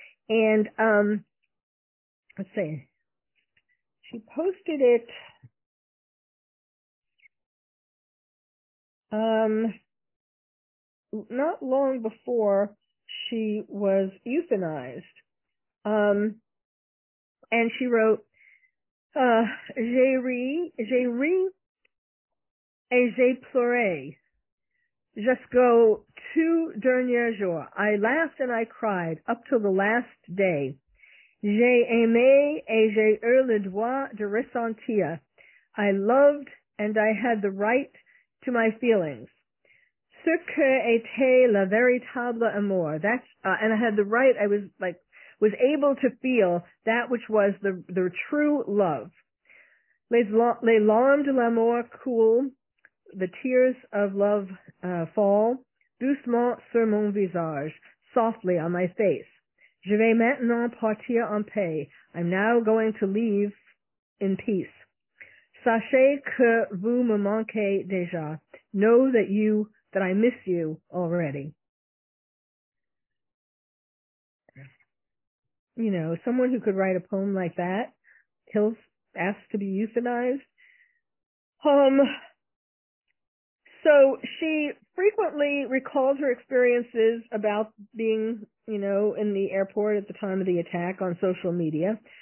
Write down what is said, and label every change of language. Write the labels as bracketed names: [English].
[English] And let's see, she posted it. Not long before she was euthanized. And she wrote, [French] j'ai ri et j'ai pleuré jusqu'aux tout derniers jours. [English] I laughed and I cried up till the last day. [French] J'ai aimé et j'ai eu le droit de ressentir. [English] I loved and I had the right to my feelings. [French] Ce que était la véritable amour. [English] I was able to feel that which was the true love. [French] Les larmes de l'amour cool, [English] the tears of love fall, [French] doucement sur mon visage, [English] softly on my face. [French] Je vais maintenant partir en paix. [English] I'm now going to leave in peace. [French] Sachez que vous me manquez déjà. [English] Know that I miss you already. Someone who could write a poem like that, kills, asks to be euthanized. So she frequently recalls her experiences about being, in the airport at the time of the attack on social media.